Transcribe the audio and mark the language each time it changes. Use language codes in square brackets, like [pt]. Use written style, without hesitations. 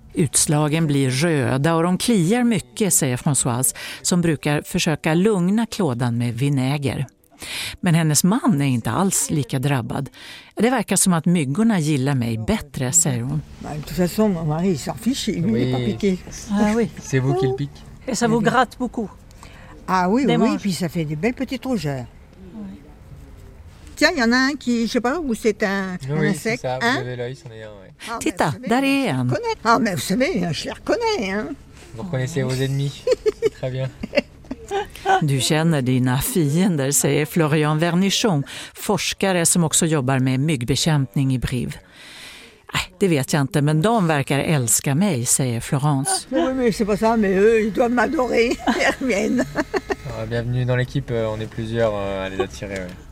[sv] Utslagen blir röda och de kliar mycket, säger Françoise, som brukar försöka lugna klådan med vinäger. Men hennes man är inte alls lika drabbad. Det verkar som att myggorna gillar mig bättre, säger hon. [fr] De toute façon, mon mari s'en fiche, il n'est pas piqué. Ah oui. C'est vous qui le pique. Et ça vous gratte beaucoup. Ah oui, oui, puis ça fait des belles petites rougeurs. Tiens, il y en a un qui, je sais pas, où c'est un insecte. Oui, c'est ça, vous avez l'œil, c'en est un, oui. [sv] Titta, där är en. [fr] Ah, mais vous savez, je les reconnais, hein. Vous reconnaissez vos ennemis. Très bien. [sv] Du känner dina fiender, säger Florian Vernichon, forskare som också jobbar med myggbekämpning i Brive. Nej, det vet jag inte, men de verkar älska mig, säger Florence. [fr] Oui, mais c'est pas ça, mais eux, ils doivent m'adorer. Hermine. Bienvenue dans l'équipe, on est plusieurs à les attirer.